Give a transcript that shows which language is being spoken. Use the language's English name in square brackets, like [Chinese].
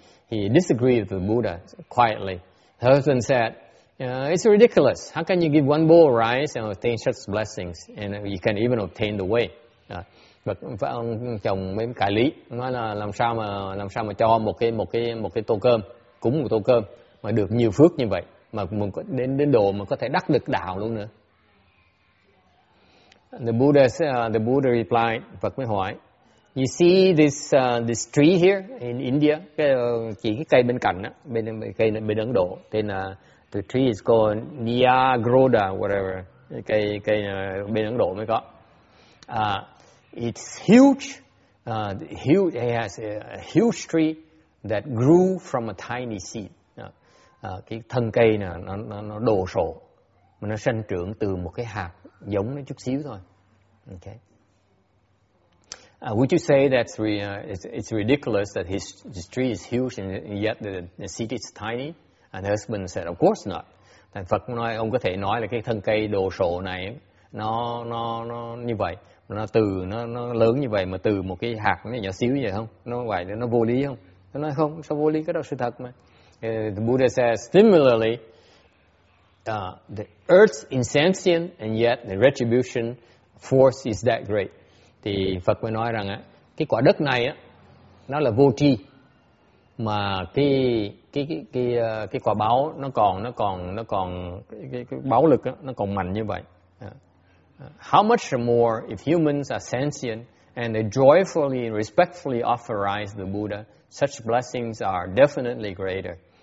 [English] He disagreed with the Buddha quietly. The husband said, "It's ridiculous. How can you give one bowl of rice and obtain such blessings, and you can't even obtain the way?" [Vietnamese] But ông chồng mới cãi lý, nói là làm sao mà cho một cái tô cơm, cúng một tô cơm mà được nhiều phước như vậy, mà đến độ mà có thể đắc được đạo luôn nữa. [English] The Buddha replied, [Vietnamese] Phật mới hỏi, [English] "You see this tree here in India?" [Vietnamese] Chỉ cái cây bên cạnh á, bên Ấn Độ, tên là [English] the tree is called Niyagroda, whatever. [Vietnamese] Cây bên Ấn Độ mới có. [English] It's huge, huge. It has a huge tree that grew from a tiny seed. [Vietnamese] Cái thân cây này nó đồ sộ, mà nó sinh trưởng từ một cái hạt giống nó chút xíu thôi. [English] Okay. Would you say that it's ridiculous that his tree is huge and yet the seed is tiny? And the husband said, "Of course not." [Vietnamese] Thành Phật nói ông có thể nói là cái thân cây đồ sộ này nó như vậy. Nó từ nó lớn như vậy mà từ một cái hạt nhỏ xíu vậy không? Nó vậy nó vô lý không? Nó nói không, sao vô lý, cái đó sự thật mà. [English] The Buddha says, similarly, the earth's insentient and yet the retribution force is that great. [Vietnamese] Thì Phật mới nói rằng á, cái quả đất này á nó là vô tri mà cái quả báo nó còn cái báo lực á nó còn mạnh như vậy. [English] How much more if humans are sentient and they joyfully and respectfully offer rice to the Buddha, such blessings are definitely greater.